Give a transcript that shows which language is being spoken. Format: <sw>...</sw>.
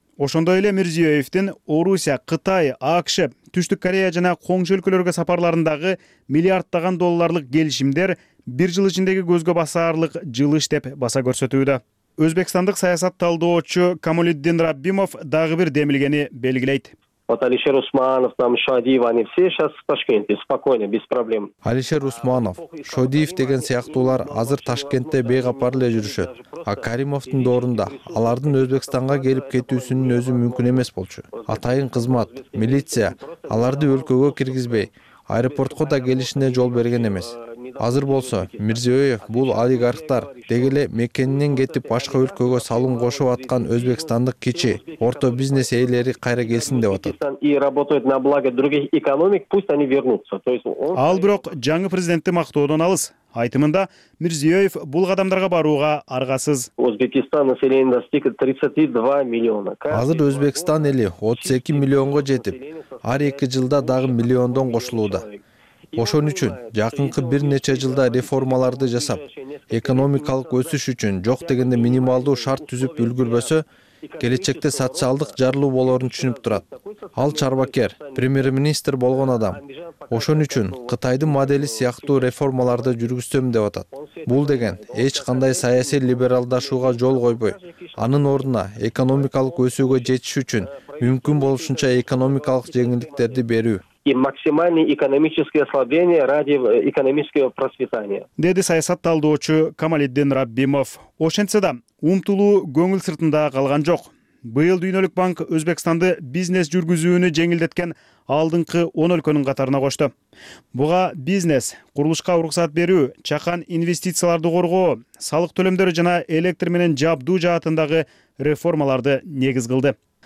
<ky>Ошондой эле Мирзиёевдин Орусия, Кытай, АКШ, Түштүк Корея жана коңшу өлкөлөргө сапарларындагы миллиарддаган долларлык келишимдер бир жыл ичиндеги көзгө басаарлык жылыш деп баса көрсөтүүдө. Өзбекстандык саясат талдоочу Камалиддин Раббимов дагы бир демилгени белгилейт.</ky> <ru>Вот Алишер Усманов, там Шадиев, они все сейчас в Ташкенте, спокойно, без проблем.</ru> <ky>Алишер Усманов, Шадиев деген сыяктуулар азыр Ташкентте бейкапар эле жүрүшөт. А Каримовдун доорунда алардын Өзбекстанга келип кетүүсүнүн өзү мүмкүн эмес болчу. Атайын кызмат, милиция аларды өлкөгө киргизбей, аэропортко да келишине жол берген эмес. Азыр болсо, Мирзиёев бул олигархтар деги эле мекенинен кетип башка өлкөгө салым кошуп аткан өзбекстандык кичи, орто бизнес ээлери кайра келсин деп атат.</ky> <ru>И работают на благо других экономик, пусть они вернутся. То есть он</ru> <ky>Ал бирок жаңы президентти мактоодон алыс. Айтымында Мирзиёев бул кадамдарга барууга аргасыз.</ky> <ru>Өзбекстан населения достигает 32 миллиона.</ru> <ky>Азыр Өзбекстан эли 32 миллионго жетип, ар 2 жылда дагы миллиондон кошулууда. Ошон үчүн жакынкы бир нече жылда реформаларды жасап, экономикалык өсүш үчүн жок дегенде минималдуу шарт түзүп үлгүрбөсө, келечекте социалдык жарылуу болорун түшүнүп турат. Ал чарбакер, премьер-министр болгон адам. Ошон үчүн Кытайдын модели сыяктуу реформаларды жүргүзсөм деп атат. Бул деген эч кандай саясий либералдашууга жол койбой, анын ордуна экономикалык өсүүгө жетиш үчүн мүмкүн болушунча экономикалык жеңилдиктерди берүү.</ky> <ru>И максимальное экономическое ослабление ради экономического процветания.</ru> <ky>Деди саясат талдоочу Камалиддин Раббимов. Ошентсе да, умтулуу көңүл сыртында калган жок. Быйыл Дүйнөлүк банк Өзбекстанды бизнес жүргүзүүнү жеңилдеткен алдыңкы 10 өлкөнүн катарына кошту. Буга бизнес, курулушка уруксат берүү, чакан инвестицияларды коргоо, салык төлөмдөрү жана электр менен жабдуу жаатындагы реформаларды негиз кылды.</ky>